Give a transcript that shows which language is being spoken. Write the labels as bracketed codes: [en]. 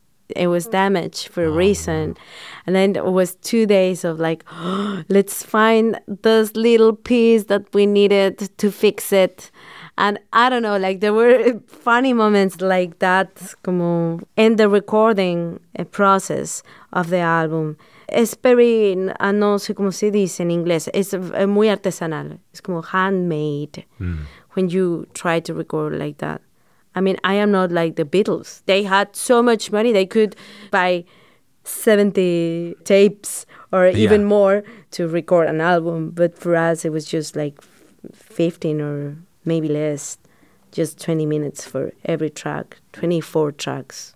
[en] it was damaged for a reason. Yeah. And then it was 2 days of like, oh, let's find this little piece that we needed to fix it. And I don't know, like there were funny moments like that como in the recording process of the album. [es] Es very, no sé cómo se dice en inglés, es muy artesanal. [en] It's como handmade when you try to record like that. I mean, I am not like the Beatles. They had so much money, they could buy 70 tapes or even more to record an album. But for us, it was just like 15 or maybe less, just 20 minutes for every track, 24 tracks.